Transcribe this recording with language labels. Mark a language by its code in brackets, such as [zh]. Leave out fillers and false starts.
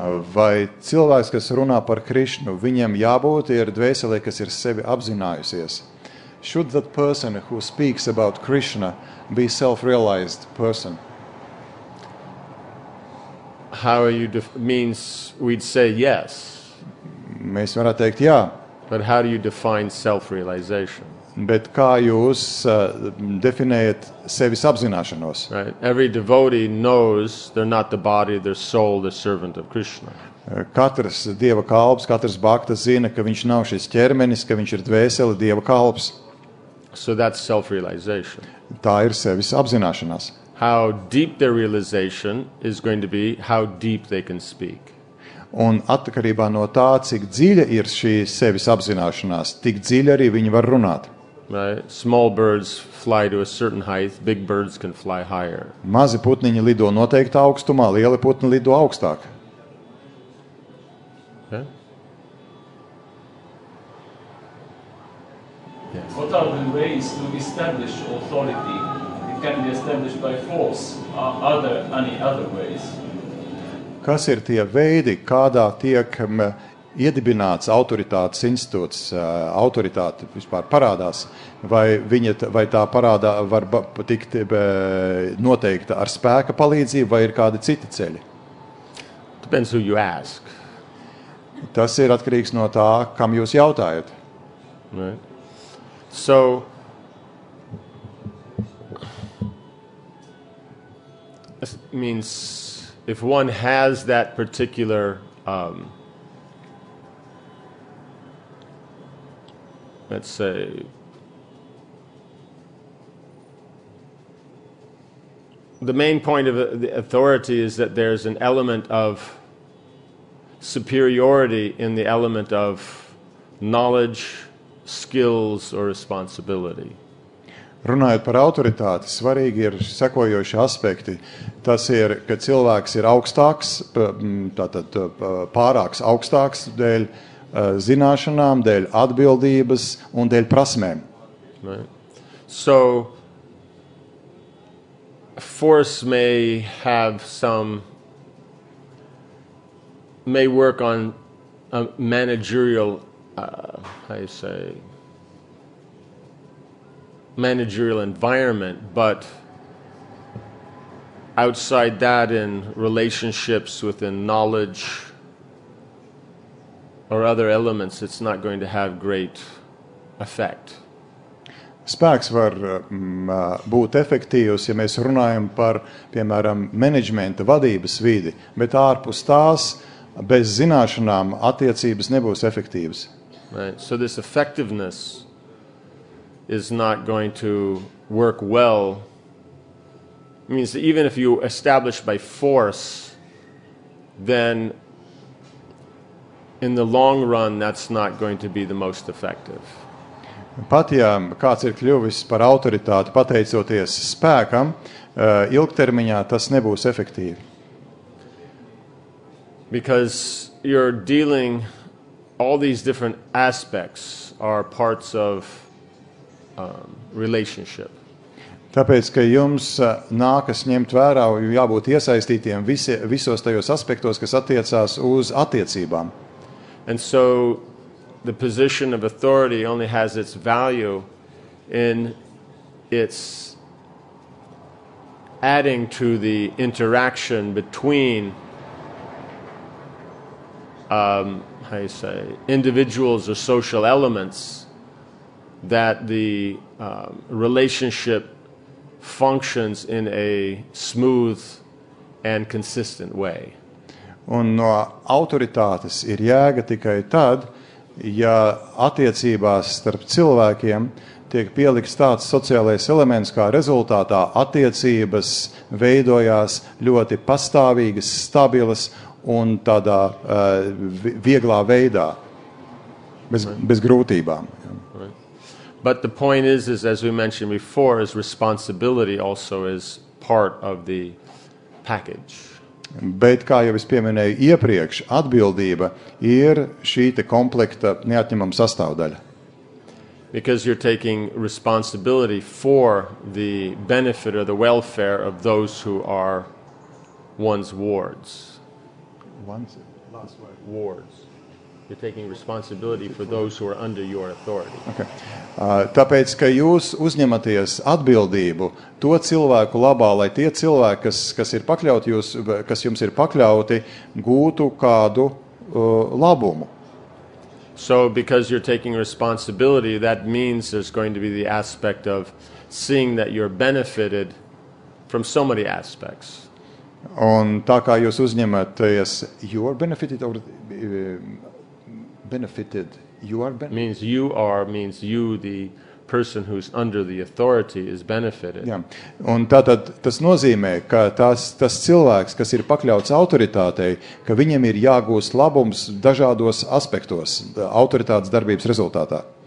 [lv] Vai cilvēks, kas runā par Krishnu, viņam jābūt ir dvēselē, kas ir sevi apzinājusies? [en] Should that person who speaks about Krishna be self-realized person? How are you means we'd say yes. [lv] Mēs varētu teikt jā. [en] But how do you define self-realization? [lv] Bet kā jūs definējat sevis apzināšanos? [en] Right. Every devotee knows they're not the body, their soul, the servant of Krishna. [lv] Katrs Dieva kalps, katrs baktas zina, ka viņš nav šis ķermenis, ka viņš ir dvēsele Dieva kalps. [en] So that's self-realization. [lv] Tā ir sevis apzināšanās. [en] How deep their realization is going to be, how deep they can speak. [lv] Un atkarībā no tā, cik dziļa ir šī sevis apzināšanās, tik dziļa arī viņi var runāt. [en] Right? Small birds fly to a certain height, big birds can fly higher. [lv] Mazi putniņi lido noteikti augstumā, lieli putni lido augstāk. [en] Okay. Yes. What are the ways to establish authority? It can be established by force. Are there any other ways? [lv] Kas ir tie veidi, kādā tiek iedibināts autoritātes institūts, autoritāte vispār parādās, vai viņa, vai tā parādā var tikt noteikta ar spēka palīdzību, vai ir kādi citi ceļi? [en] Depends who you ask. [lv] Tas ir atkarīgs no tā, kam jūs jautājat. [en] Right. So, this means if one has that particular let's say the main point of the authority is that there's an element of superiority in the element of knowledge, skills or responsibility. [lv] Runājot par autoritāti, svarīgi ir sekojoši aspekti. Tas ir, ka cilvēks ir augstāks, tātad pārāks augstāks dēļ zināšanām, dēļ atbildības un dēļ prasmēm. [en] Right. So, force may have some, may work on a managerial, how you say, managerial environment, but outside that in relationships within knowledge or other elements, it's not going to have great effect. [lv] Spēks var būt efektīvs, ja mēs runājam par, piemēram, menedžmenta vadības vidi, bet ārpus tās, bez zināšanām, attiecības nebūs efektīvas. [en] Right. So this effectiveness is not going to work well. It means that even if you establish by force, then in the long run, that's not going to be the most effective. [lv] Pat ja kāds ir kļuvis par autoritāti, pateicoties spēkam, ilgtermiņā tas nebūs efektīvi. [en] Because you're dealing, all these different aspects are parts of relationship. [lv] Tāpēc, ka jums nākas ņemt vērā, jābūt iesaistītiem visos tajos aspektos, kas attiecās uz attiecībām. [en] And so, the position of authority only has its value in its adding to the interaction between how you say individuals or social elements that the relationship functions in a smooth and consistent way. [lv] Un no autoritātes ir jēga tikai tad, ja attiecībās starp cilvēkiem tiek pielikts tāds sociālais elements, kā rezultātā attiecības veidojās ļoti pastāvīgas, stabilas un tādā vieglā veidā, bez grūtībām. [en] Right. But the point is, as we mentioned before, is responsibility also is part of the package. [lv] Bet, kā jau es pieminēju iepriekš, atbildība ir šīta komplekta neatņemama sastāvdaļa. [en] Because you're taking responsibility for the benefit or the welfare of those who are one's wards. One's last word. Wards. You're taking responsibility for those who are under your authority. Okay. [lv] Tāpēc, ka jūs uzņematies atbildību to cilvēku labā, lai tie cilvēki, kas ir pakļauti jūs, kas jums ir pakļauti, gūtu kādu labumu. [en] So, because you're taking responsibility, that means there's going to be the aspect of seeing that you're benefited from so many aspects. [lv] Un tā kā jūs uzņematies, [en] you're benefited or benefited, you are benefited. Means you are, means you, the person who's under the authority, is benefited. [lv] Jā, un tātad tas nozīmē, ka tas cilvēks, kas ir pakļauts autoritātei, ka viņam ir jāgūst labums dažādos aspektos autoritātes darbības rezultātā.